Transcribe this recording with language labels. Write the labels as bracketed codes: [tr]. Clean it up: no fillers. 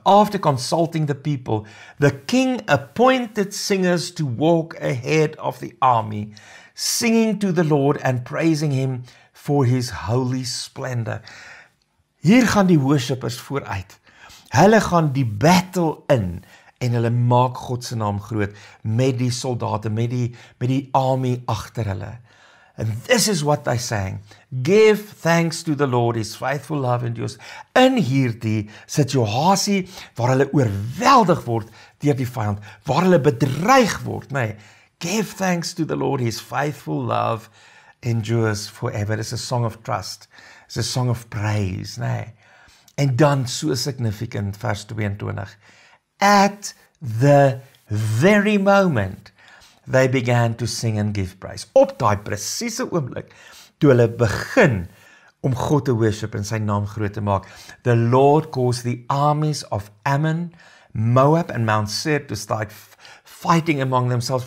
[en] After consulting the people, the king appointed singers to walk ahead of the army, singing to the Lord and praising him for his holy splendor. [af] Hier gaan die worshippers vooruit. Hulle gaan die battle in en hulle maak God se naam groot met die soldate, met die army agter hulle. [en] And this is what they sang. Give thanks to the Lord, his faithful love and yours. [af] In hierdie situasie waar hulle oorweldig word deur die vyand, waar hulle bedreig word, nee, [en] give thanks to the Lord, his faithful love endures forever. It's a song of trust. It's a song of praise, nee. [af] En dan so significant vers 22. [en] At the very moment they began to sing and give praise. [af] Op daai presiese oomblik toe hulle begin om God te worship en sy naam groot te maak. [en] The Lord caused the armies of Ammon, Moab and Mount Seir to start fighting among themselves.